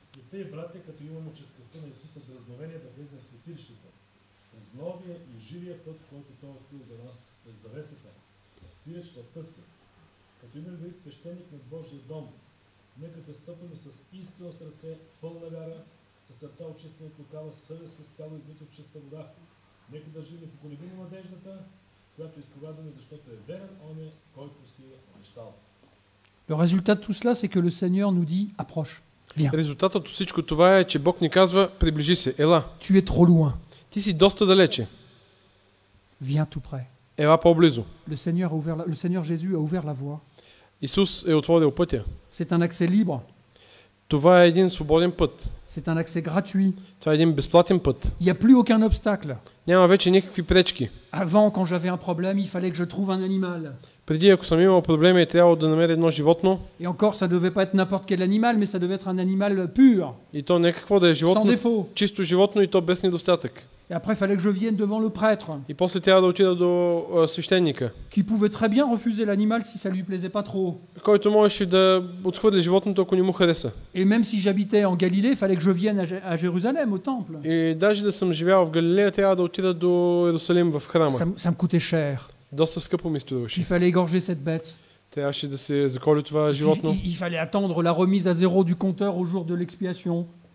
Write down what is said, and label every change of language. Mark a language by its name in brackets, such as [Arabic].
[Bulgarian] Те, брате, като имаме честността на Исуса да разновение да влезе в светилището, през новия и живия път, който Той открил за нас, през завесата, в свидетелствата си, като имаме велик свещеник на Божия дом, нека пристъпваме с истинно сърце, пълна вяра, с сърца очистено от лукава, съвест с тяло измито в чиста вода. Нека да живе поколебимо надеждата, която изповядваме, защото е верен Оня, който си е обещал. [French] Le résultat de tout cela, c'est que le Seigneur nous dit, approche. [Bulgarian] Резултатът от всичко това е, че Бог ни казва, приближи се, ела. [French] Tu es trop loin. [Bulgarian] Ти си доста далече. [French] Viens tout près. [Bulgarian] Ела по-близо. [French] Le Seigneur Jésus a ouvert la voie. [Bulgarian] Исус е отворил пътя. [French] C'est un accès libre. [Bulgarian] Това е един свободен път. [French] C'est un accès gratuit. [Bulgarian] Това е един безплатен път. [French] Il n'y a plus aucun obstacle. [Bulgarian] Няма вече никакви пречки. [French] Avant, quand j'avais un problème, il fallait que je trouve un animal. [Bulgarian] Преди, ако съм имал проблеми, трябва да намеря едно животно. [French] Et encore, ça devait pas être n'importe quel animal, mais ça devait être un animal pur. [Bulgarian] И то не какво да е животно. [French] Sans défaut. [Bulgarian] Чисто животно и то без недостатък. [French] Et après, il fallait que je vienne devant le prêtre. [Bulgarian] И после трябва да отида до свещеника. [French] Qui pouvait très bien refuser l'animal si ça lui plaisait pas trop. [Bulgarian] Който можеше да отхвърли животното, ако не му хареса. [French] Et même si j'habitais en Galilée, il fallait que je vienne à Jérusalem au temple. [Bulgarian] И даже да съм живял в Галилея, трябва да отида до Йерусалим в храма. [French] Ça me coûtait cher. [Bulgarian] Доста скъпо ми струваше. [French] Il fallait égorger cette bête. [Bulgarian] Трябваше да се заколи това животно. [French] Il fallait attendre la remise à zéro du compteur au jour de l'expiation.